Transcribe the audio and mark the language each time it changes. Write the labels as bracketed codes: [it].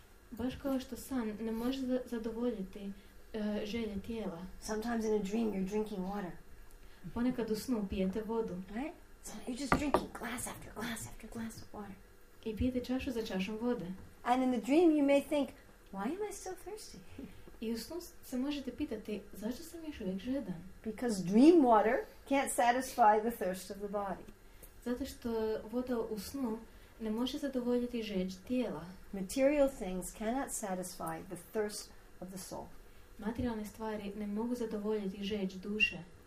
[hr] Baš kao što san ne može zadovoljiti želje tijela. [en] Sometimes in a dream you're drinking water. [hr] Ponekad u snu pijete vodu. [en] Right? So you're just drinking glass after glass after glass of water. [hr] I pijete čašu za čašom vode. [en] And in the dream you may think, why am I still thirsty? [hr] I u snu se možete pitati, zašto sam još uvijek žedan? [en] Because dream water can't satisfy the thirst of the body. [hr] Zato što voda u snu ne može zadovoljiti žeđ tijela. [en] Material things cannot satisfy the thirst of the soul. [hr] Materijalne stvari ne mogu zadovoljiti žeđ duše.